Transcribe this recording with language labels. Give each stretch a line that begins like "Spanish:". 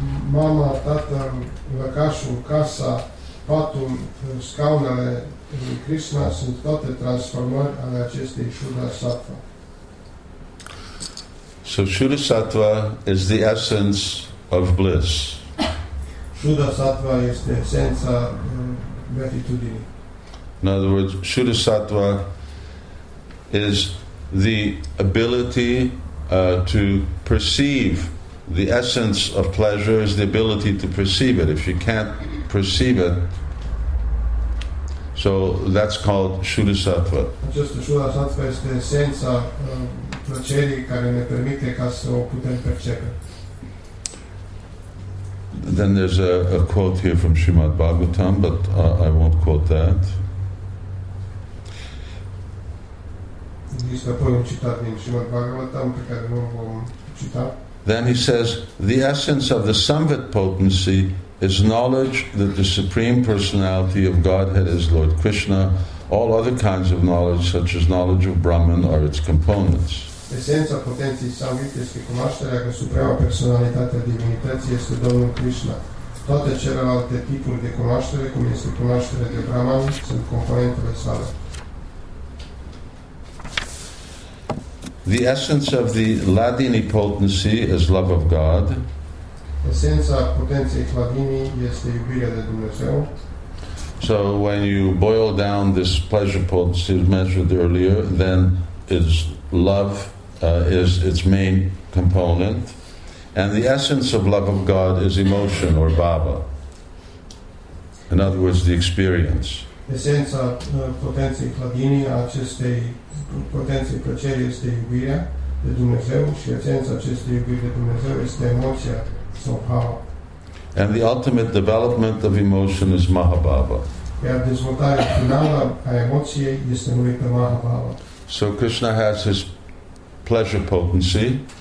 Romanian: Mama, tata, lăcașul, casa, patul, scaunele lui Krishna sunt toate transformări ale acestei Shuddha Sattva.
English: So Shuddha Sattva is the essence of bliss.
Romanian: Shuddha Sattva este esența beatitudinii.
English: In other words, Shuddha Sattva is the ability to perceive. The essence of pleasure is the ability to perceive it. If you can't perceive it, so that's called Shuddha Sattva.
Romanian: Această Shuddha Sattva este esența plăcerii care ne permite ca să o putem percepe.
English: Then there's a quote here from Srimad Bhagavatam, but I won't quote that.
Romanian: Există apoi un citat din Srimad Bhagavatam pe care nu vom cita.
English: Then he says, the essence of the Samvit potency is knowledge that the Supreme Personality of Godhead is Lord Krishna. All other kinds of knowledge, such as knowledge of Brahman, are its components.
Romanian: Esența potenței Samvit este cunoașterea că Suprema Personalitate a Divinității este Domnul Krishna. Toate celelalte tipuri de cunoaștere, cum este cunoașterea de Brahman, sunt componentele sale.
English: The essence of the Ladini potency is love of God.
Romanian: Esența potenței Ladini este iubirea de Dumnezeu.
English: So when you boil down this pleasure potency measured earlier, then is love is its main component. And the essence of love of God is emotion or bhava. In other words, the experience.
Romanian: Esența potenței plăcerii, acestei potenței plăcerii este iubirea de Dumnezeu și esența acestei iubiri de Dumnezeu este emoția sau bhava.
English: And the ultimate development of emotion is mahabhava.
Romanian: Iar dezvoltarea finală a emoției este numită mahabhava.
English: So Krishna has his pleasure potency.